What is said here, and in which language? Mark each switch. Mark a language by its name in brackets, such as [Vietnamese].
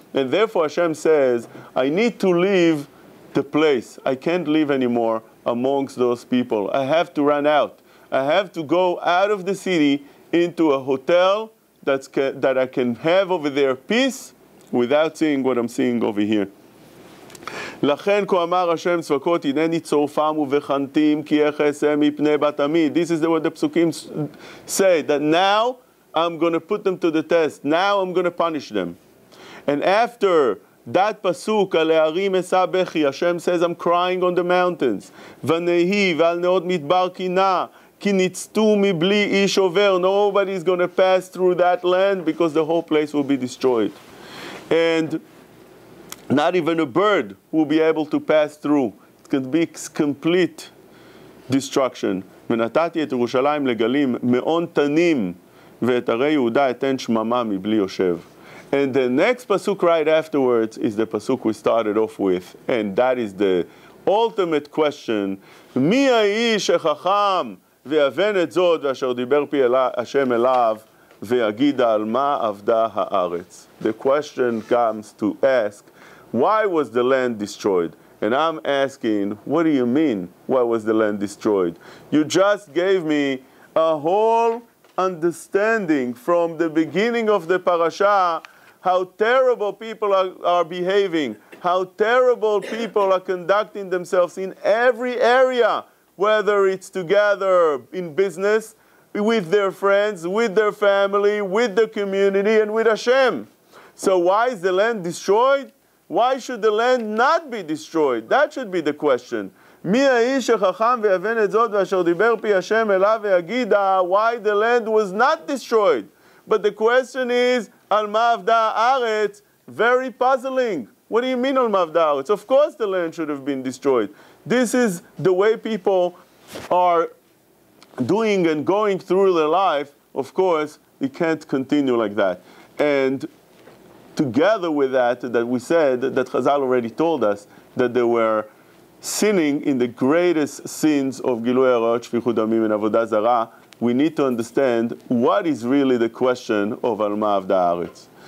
[English] And therefore Hashem says, I need to leave the place. I can't live anymore amongst those people. I have to run out. I have to go out of the city into a hotel that I can have over there peace without seeing what I'm seeing over here. [Hebrew] לכן כה אמר השם צבקות הנני צורפם ובחנתים כי אחסם מפני בת עמי. [English] This is what the psukim say, that now I'm going to put them to the test. Now I'm going to punish them. And after that pasuk, [Hebrew] על הערים אשא בכי, [English] השם says, I'm crying on the mountains. [Hebrew] ונהי ועל נאות מדבר קינה, כי ניצתו מבלי איש עובר. [English] Nobody is going to pass through that land because the whole place will be destroyed. And not even a bird will be able to pass through. It could be complete destruction. [Hebrew] ונתתי את ירושלים לגלים מאון תנים ואת הרי יהודה אתן שממה מבלי יושב. [English] And the next pasuk right afterwards is the pasuk we started off with. And that is the ultimate question. [Hebrew] מי האיש החכם ויבן את זאת ואשר דיבר פי השם אליו ויגיד על מה עבדה הארץ? [English] The question comes to ask, why was the land destroyed? And I'm asking, what do you mean, why was the land destroyed? You just gave me a whole understanding from the beginning of the parasha, how terrible people are behaving, how terrible people are conducting themselves in every area, whether it's together in business, with their friends, with their family, with the community, and with Hashem. So why is the land destroyed? Why should the land not be destroyed? That should be the question. [Hebrew] מי האיש החכם ויבן את זאת ואשר דיבר פי השם אליו ויגיד [English] why the land was not destroyed? But the question is, [Hebrew] על מה עבדה הארץ? [English] Very puzzling. What do you mean [Hebrew] על מה עבדה הארץ? [English] Of course the land should have been destroyed. This is the way people are doing and going through their life. Of course, it can't continue like that. And together with that, that we said, that Chazal already told us, that they were sinning in the greatest sins of Gilui Arayot, Shfichut Damim, and Avodah Zarah, we need to understand what is really the question of [Hebrew] Al Ma Avdah Haaretz.